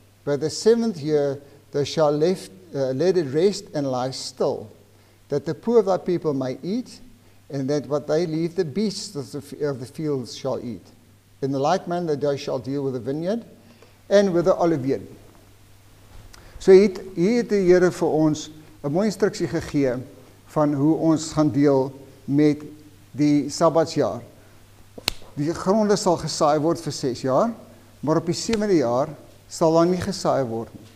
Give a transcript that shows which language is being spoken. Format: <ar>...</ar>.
<en>But the seventh year thou shall let it rest and lie still, that the poor of thy people may eat, and that what they leave the beasts of the fields shall eat. In the like manner thou shalt deal with the vineyard, and with the olivier.</en> <af>So hier het die Heere vir ons</af> <nl>een mooie instructie</nl> <af>gegee van hoe ons gaan deel met die sabbatsjaar. Die gronde sal gesaai word vir 6 jaar, maar op die 7de jaar sal dan nie gesaai word.</af>